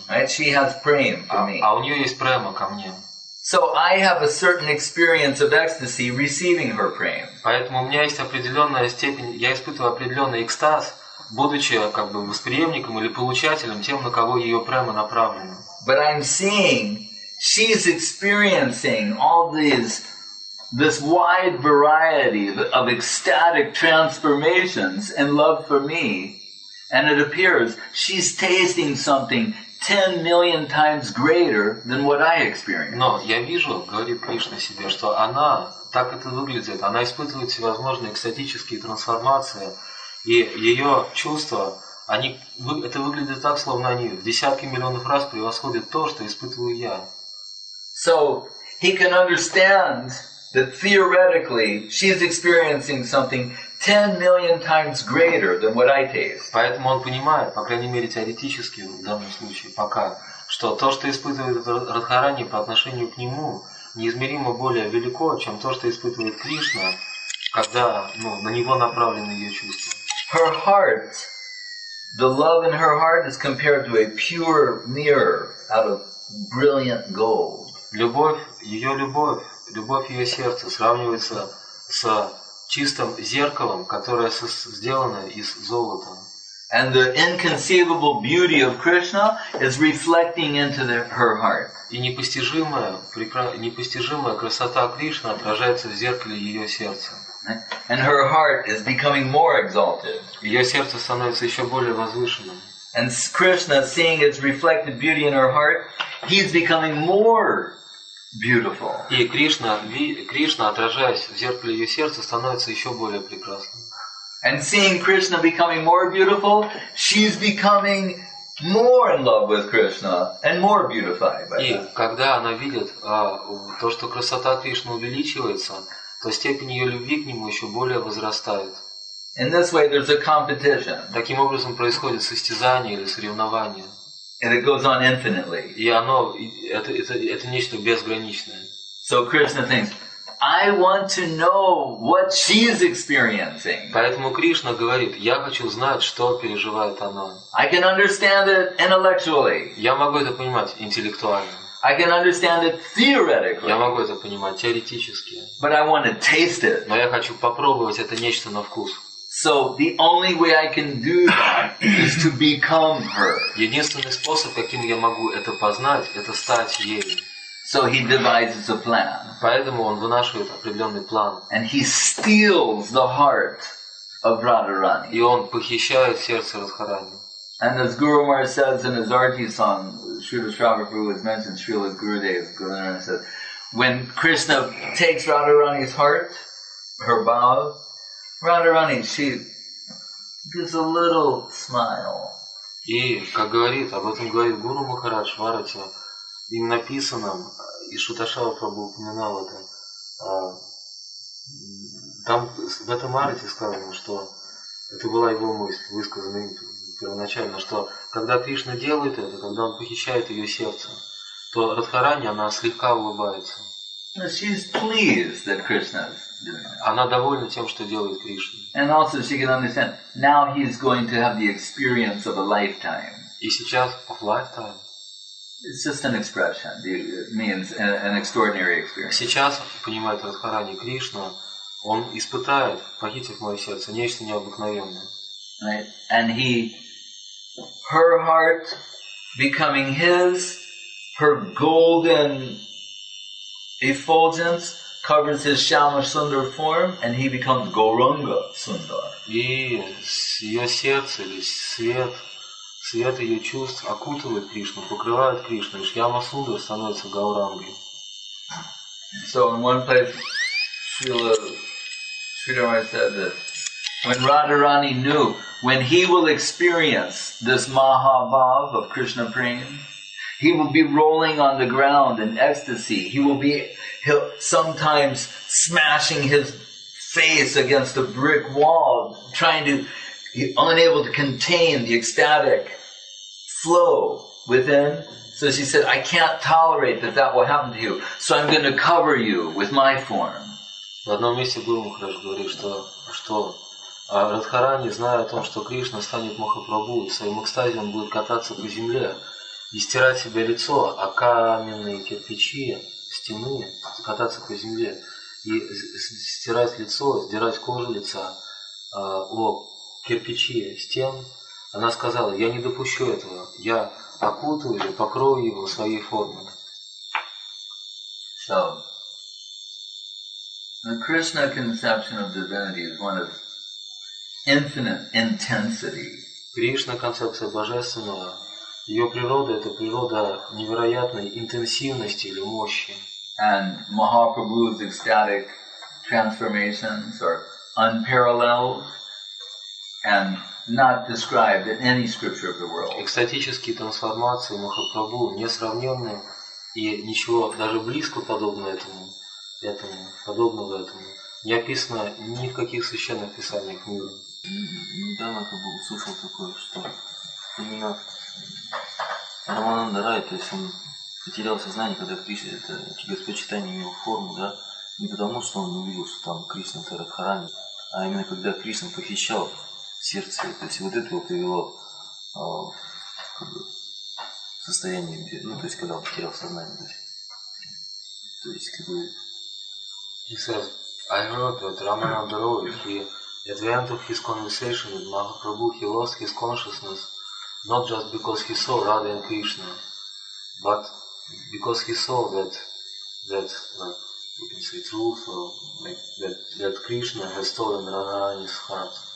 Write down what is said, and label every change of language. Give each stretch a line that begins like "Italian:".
English: Right? She has prema for me.
Russian: А у нее есть према ко мне.
English: So I have a certain experience of ecstasy receiving her prema.
Russian: Поэтому у меня есть определенная степень, я испытываю определенный экстаз, будучи как бы восприемником или получателем тем, на кого ее према направлена.
English: But I'm seeing she's experiencing all this wide variety of ecstatic transformations and love for me, and it appears she's tasting something 10 million times greater than what I experienced.
Russian: Но я вижу, говорит Кришна себе, что она, так это выглядит, она испытывает всевозможные экстатические трансформации, и ее чувства, они, это выглядит так, словно они в десятки миллионов раз превосходят то, что испытываю я.
English: So, he can understand that theoretically she's experiencing something 10 million times greater than what I taste.
Russian: Поэтому он понимает, по крайней мере теоретически в данном случае пока, что то, что испытывает Радхарани по отношению к нему, неизмеримо более велико, чем то, что испытывает Кришна, когда, ну, на него направлены ее чувства.
English: Her heart, the love in her heart is compared to a pure mirror out of brilliant gold.
Russian: Любовь ее сердца сравнивается с чистым зеркалом, которое сделано из золота.
English: And the inconceivable beauty of Krishna is reflecting into her heart.
Russian: И непостижимая красота Кришны отражается в зеркале ее сердца.
English: And her heart is becoming more exalted.
Russian: Ее сердце становится еще более возвышенным.
English: And Krishna, seeing its reflected beauty in her heart, he's becoming more beautiful.
Russian: И Кришна, отражаясь в зеркале ее сердца, становится еще более прекрасным.
English: And seeing Krishna becoming more beautiful, she's becoming more in love with Krishna and more beautified by him.
Russian: И когда она видит то, что красота Кришны увеличивается, то степень ее любви к нему еще более возрастает.
English: In this way, there's a competition.
Russian: Таким образом происходит состязание или соревнование.
English: And it goes on infinitely.
Russian: И оно это нечто безграничное.
English: So Krishna thinks, I want to know what she's experiencing.
Russian: Поэтому Кришна говорит, я хочу знать, что переживает она.
English: I can understand it intellectually.
Russian: Я могу это понимать интеллектуально.
English: I can understand it theoretically.
Russian: Я могу это понимать теоретически.
English: But I want to taste it.
Russian: Но я хочу попробовать это нечто на вкус.
English: So the only way I can do that is to become her.
Russian: Единственный способ, каким я могу это познать, это стать ею.
English: So he devises a plan.
Russian: Поэтому он вынашивает определенный план.
English: And he steals the heart of Radharani.
Russian: И он похищает сердце Радхарани.
English: And as Guru Maharaj says in his Arti song, Srila Shravaprabhu has mentioned Srila Gurudev, Gurudev said, when Krishna takes Radharani's heart, her bhava, Radharani, she gives a little smile.
Russian: И, как говорит, об этом говорит Гуру Махарадж в Арате, им написанном, и Шуташава Прабху упоминал это, там в этом Арате сказано, что это была его мысль, высказанная им первоначально, что когда Кришна делает это, когда он похищает ее сердце, то Радхарани, она слегка улыбается.
English: She's pleased that Krishna is doing.
Russian: Она довольна тем, что делает Кришна.
English: And also she can understand now he's going to have the experience of a lifetime.
Russian: И сейчас
English: of lifetime. It's just an expression. It means an extraordinary experience.
Russian: Сейчас понимает Радхарани Кришна, он испытает, похитив мое сердце, нечто необыкновенное.
English: Right? And he, her heart becoming his, her golden effulgence covers his Shyama Sundar form, and he becomes Gauranga Sundar.
Russian: И ее сердце, или свет, свет ее чувств окутывает Кришну, покрывает Кришну, и Шьяма Сундар становится Гаурангой.
English: So in one place, Srila Sridhar said that when Radharani knew when he will experience this Mahabhav of Krishna Prem, he will be rolling on the ground in ecstasy. He will be sometimes smashing his face against a brick wall, trying to, unable to contain the ecstatic flow within. So she said, I can't tolerate that that will happen to you, so I'm going to cover you with my form.
Russian: В одном месте Гуру Махарадж говорит, что Радхарани, зная о том, что Кришна станет Махапрабху, в своем экстазе он будет кататься по земле и стирать себе лицо, а каменные кирпичи стены, кататься по земле и стирать лицо, сдирать кожу лица о кирпичи стен, она сказала, я не допущу этого, я окутаю или покрою его своей формой.
English: So, the Krishna conception of divinity is one of infinite intensity.
Russian: Кришна концепция божественного, ее природа – это природа невероятной интенсивности или мощи.
English: And Mahaprabhu's ecstatic transformations are unparalleled and not described in any scripture of the world.
Russian: Экстатические трансформации Махапрабху несравненны и ничего даже близко подобно этому подобного этому не описано ни в каких священных писаниях мира. Недавно как бы услышал такое, что именно Рамананда Рай, то есть он потерял сознание, когда Кришна это Господчитание имело форму, да, не потому что он увидел, что там Кришна это Радхарани, а именно когда Кришна похищал сердце, то есть вот это вот привело как бы состояние, ну то есть когда он потерял сознание, то есть как бы.
English: He says, I heard that Рамананда Рай, he at the end of his conversation with Mahaprabhu, he lost his consciousness not just because he saw Radha and Krishna, but because he saw that we can say truth or like that Krishna has stolen Radharani's heart.